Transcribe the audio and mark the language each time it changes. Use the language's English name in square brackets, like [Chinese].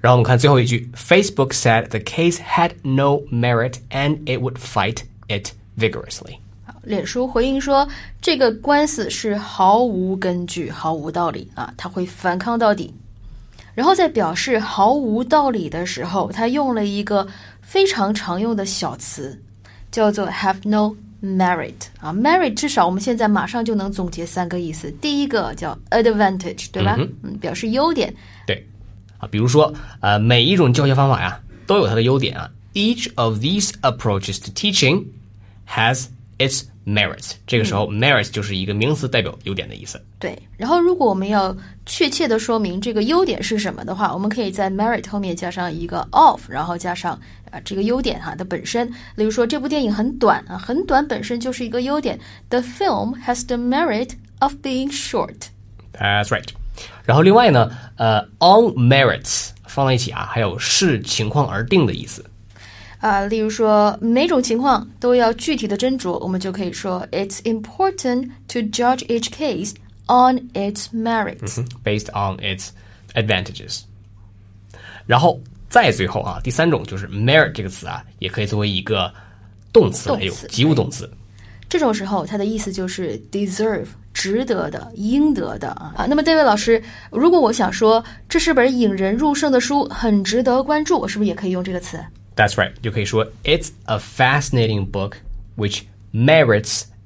[Chinese] 然后我们看最后一句， [English] Facebook said the case had no merit and it would fight it vigorously. [Chinese] 脸书回应说这个官司是毫无根据，毫无道理啊，他会反抗到底。然后在表示毫无道理的时候，他用了一个非常常用的小词叫做 have no merit 啊。 merit 至少我们现在马上就能总结三个意思，第一个叫 advantage， 对吧？表示优点。对，比如说每一种教学方法呀都有它的优点啊。 [English] Each of these approaches to teaching has its merits. [Chinese] 这个时候 merits 就是一个名词代表优点的意思。对，然后如果我们要确切的说明这个优点是什么的话，我们可以在 merit 后面加上一个 of， 然后加上这个优点哈的本身。例如说这部电影很短啊，很短本身就是一个优点。 [English] The film has the merit of being short. That's right. [Chinese] 然后另外呢on merits 放在一起啊还有视情况而定的意思。例如说每种情况都要具体的斟酌，我们就可以说 [English] It's important to judge each case on its merits. Based on its advantages. [Chinese] 然后再最后啊，第三种就是 merit 这个词啊也可以作为一个动词来用，及物动词。这种时候它的意思就是 deserve，值得的，应得的啊。那么David老师，如果我想说这是本引人入胜的书，很值得关注，我是不是也可以用这个词？ [English] That's right， [Chinese] 就可以说 [English] It's a fascinating book which merits